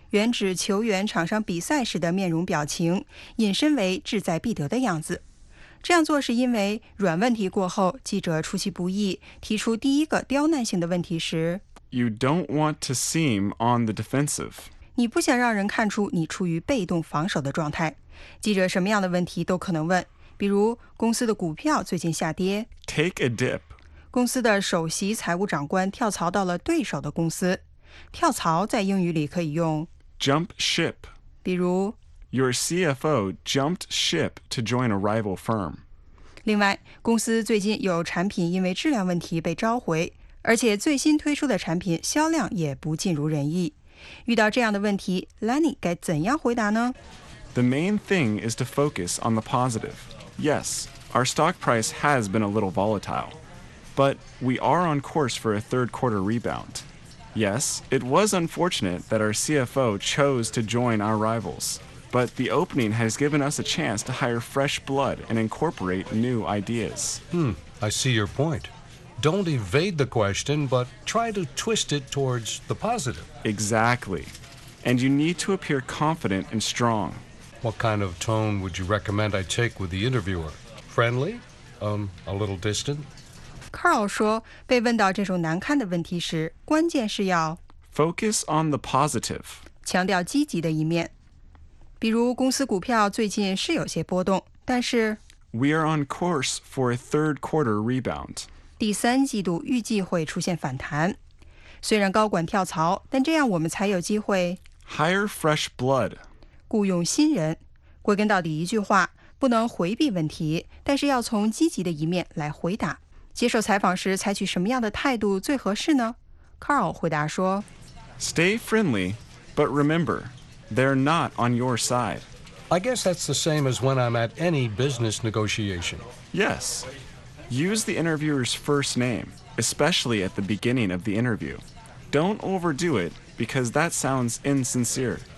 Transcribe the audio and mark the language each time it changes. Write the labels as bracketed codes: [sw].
[zh] 原指球员场上比赛时的面容表情，引申为志在必得的样子。这样做是因为软问题过后，记者出其不意提出第一个刁难性的问题时 [en] ，You don't want to seem on the defensive。 [zh] 你不想让人看出你处于被动防守的状态。记者什么样的问题都可能问。比如公司的股票最近下跌 [en] Take a dip [zh] 公司的首席财务长官跳槽到了对手的公司跳槽在英语里可以用 [en] Jump ship [zh] 比如 [en] Your CFO jumped ship to join a rival firm [zh] 另外公司最近有产品因为质量问题被召回而且最新推出的产品销量也不尽如人意遇到这样的问题 Lenny 该怎样回答呢 [en] The main thing is to focus on the positiveYes, our stock price has been a little volatile, but we are on course for a third quarter rebound. Yes, it was unfortunate that our CFO chose to join our rivals, but the opening has given us a chance to hire fresh blood and incorporate new ideas. I see your point. Don't evade the question, but try to twist it towards the positive. Exactly. And you need to appear confident and strong. What kind of tone would you recommend I take with the interviewer? Friendly? A little distant? [zh] Carl 说被问到这种难堪的问题时关键是要 [en] Focus on the positive. [zh] 强调积极的一面。比如公司股票最近是有些波动但是 [en] We are on course for a third quarter rebound. [zh] 第三季度预计会出现反弹。虽然高管跳槽但这样我们才有机会 [en] Hire fresh blood. [zh] 雇用新人，归根到底一句话，不能回避问题，但是要从积极的一面来回答。接受采访时采取什么样的态度最合适呢 ？Carl 回答说 [en] ：“Stay friendly, but remember, they're not on your side. I guess that's the same as when I'm at any business negotiation. Yes, use the interviewer's first name, especially at the beginning of the interview. Don't overdo it, because that sounds insincere.”